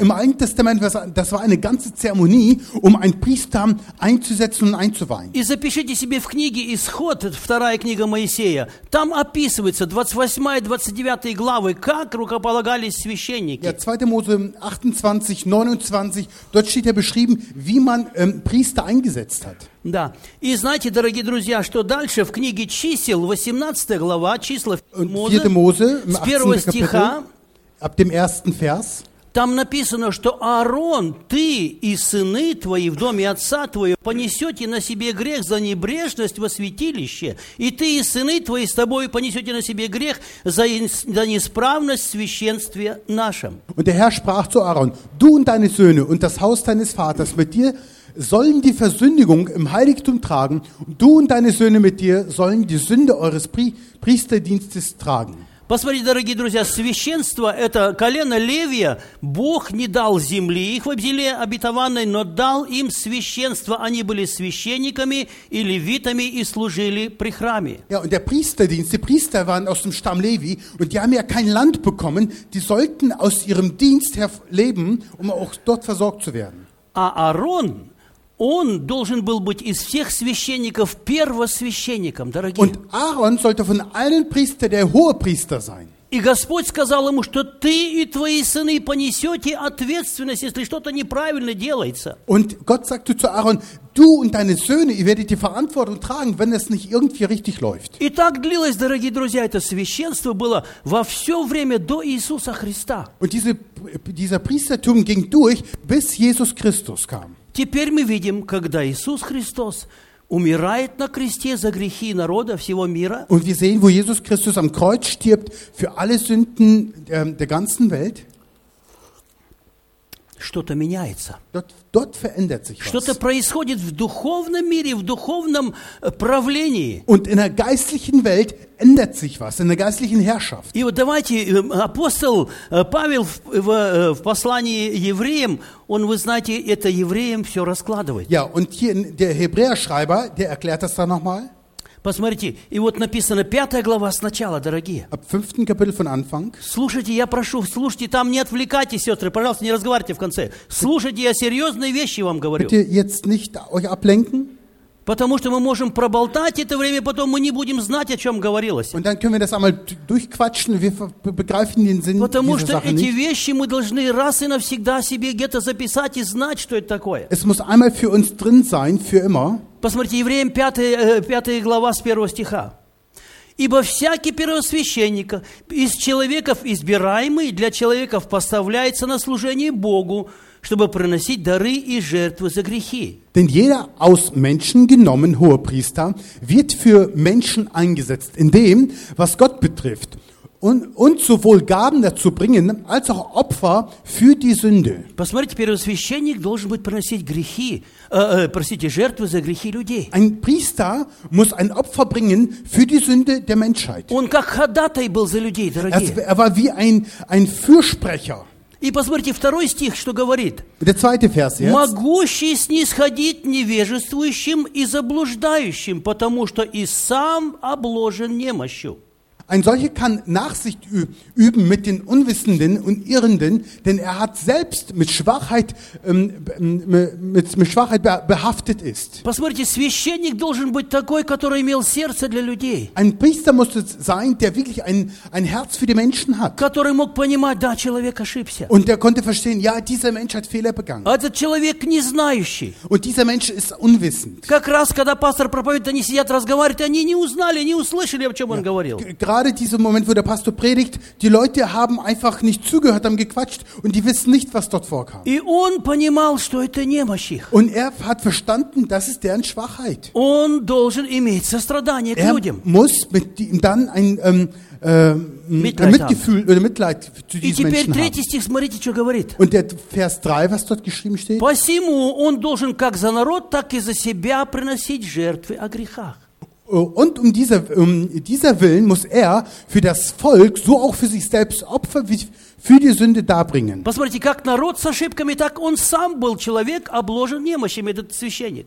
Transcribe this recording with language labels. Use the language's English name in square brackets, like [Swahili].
[German] Und im Alten Testament das war eine ganze Zeremonie, ein Priester einzusetzen und einzuweihen. [Russian] И запишите себе в книге Исход, вторая книга Моисея, там описывается 28 и 29 главы, как рукополагались священники. [German] Ja, 2. Mose 28, 29, dort steht ja beschrieben, wie man Priester eingesetzt hat. [Russian] Да. И знаете, дорогие друзья, что дальше в книге Чисел, 18 глава, числа Мозе, с первого стиха, [German] ab dem ersten Vers, [Russian] там написано, что Аарон, ты и сыны твои в доме отца твоего понесете на себе грех за небрежность во святилище, и ты и сыны твои с тобой понесете на себе грех за неисправность в священстве нашем. [German] Und der Herr sprach zu Aaron, du und deine Söhne und das Haus deines Vaters mit dir sollen die Versündigung im Heiligtum tragen, du und deine Söhne mit dir sollen die Sünde eures Priesterdienstes tragen. [Russian] Посмотрите, дорогие друзья, священство – это колено Левия. Бог не дал земли их в земле обетованной, но дал им священство. Они были священниками и левитами и служили при храме. [German] Ja, und der Priesterdienst, die Priester waren aus dem Stamm Levi und die haben ja kein Land bekommen. Die sollten aus ihrem Dienst her leben, um auch dort versorgt zu werden. [Russian] А Аарон Он должен был быть из всех священников первосвященником, дорогие. [German] Und Aaron sollte von allen Priestern der Hohepriester sein. [Russian] И Господь сказал ему, что ты и твои сыны понесете ответственность, если что-то неправильно делается. [German] Und Gott sagte zu Aaron, du und deine Söhne, ihr werdet die Verantwortung tragen, wenn es nicht irgendwie richtig läuft. [Russian] И так длилось, дорогие друзья, это священство было во все время до Иисуса Христа. [German] Und dieser Priestertum ging durch, bis Jesus Christus kam. [Russian] Теперь мы видим, когда Иисус Христос умирает на кресте за грехи народа всего мира. [German] Und wir sehen, wo Jesus Christus am Kreuz stirbt für alle Sünden der ganzen Welt. [Russian] Что-то меняется. [German] Dort verändert sich [Russian] что-то [German] was. [Russian] Что-то происходит в духовном мире, в духовном правлении. [German] Und in der geistlichen Welt ändert sich was, in der geistlichen Herrschaft. [Russian] И вот давайте, апостол Павел в послании евреям, он, вы знаете, это евреям все раскладывает. [German] Ja, und hier der Hebräerschreiber, der erklärt das dann nochmal. [Russian] Посмотрите, и вот написано, пятая глава сначала, дорогие. [German] Ab 5. Kapitel von Anfang. [Russian] Слушайте, я прошу, слушайте, там не отвлекайтесь, сестры, пожалуйста, не разговаривайте в конце. Слушайте, я серьезные вещи вам говорю. [German] Bitte jetzt nicht euch ablenken. [Russian] Потому что мы можем проболтать это время, потом мы не будем знать, о чем говорилось. [German] Und dann können wir das einmal durchquatschen, wir begreifen den Sinn [Russian] потому [German] dieser Sache nicht. [Russian] Эти вещи мы должны раз и навсегда себе где-то записать и знать, что это такое. [German] Es muss einmal für uns drin sein, für immer. [Russian] Посмотрите, Евреям 5 глава с 1 стиха. «Ибо всякий первосвященник из человеков избираемый для человеков поставляется на служение Богу, чтобы приносить дары и жертвы за грехи». [German] Denn jeder aus Menschen genommen Hohepriester wird für Menschen eingesetzt, in dem, was Gott betrifft, und sowohl Gaben dazu bringen, als auch Opfer für die Sünde. [Russian] Посмотрите, первосвященник должен быть приносить грехи, простите, жертвы за грехи людей. [German] Ein Priester muss ein Opfer bringen für die Sünde der Menschheit. [Russian] Он как ходатай был за людей, дорогие. [German] Er war wie ein Fürsprecher. [Russian] И посмотрите, второй стих, что говорит. [German] Der zweite Vers jetzt. [Russian] Могущий снисходить невежествующим и заблуждающим, потому что и сам обложен немощью. [German] Ein solcher kann Nachsicht üben mit den Unwissenden und Irrenden, denn er hat selbst mit Schwachheit behaftet ist. [Russian] Посмотрите, священник должен быть такой, который имел сердце для людей. [German] Ein Priester muss es sein, der wirklich ein Herz für die Menschen hat. [Russian] Который мог понимать, да, человек ошибся. [German] Und er konnte verstehen, ja, dieser Mensch hat Fehler begangen. [Russian] А этот человек не знающий. [German] Und dieser Mensch ist unwissend. [Russian] Как раз, когда пастор проповедует, они сидят, разговаривают, они не узнали, не услышали, о чем он говорил. [German] Gerade dieser Moment, wo der Pastor predigt, die Leute haben einfach nicht zugehört, haben gequatscht und die wissen nicht, was dort vorkam. [Russian] И он понимал, что это немощь их. [German] Und er hat verstanden, das ist deren Schwachheit. [Russian] Он должен иметь сострадание к людям. [German] Er muss mit ihm dann ein Mitgefühl oder Mitleid zu diesen Menschen haben. [Russian] И теперь третий стих, смотрите, что говорит. [German] Und der Vers 3, was dort geschrieben steht. [Russian] Посему он должен как за народ, так и за себя приносить жертвы о грехах. [German] Und um dieser Willen muss er für das Volk, so auch für sich selbst, Opfer für die Sünde darbringen. [Russian] Посмотрите, как народ с ошибками, так он сам был человек, обложен немощами, этот священник.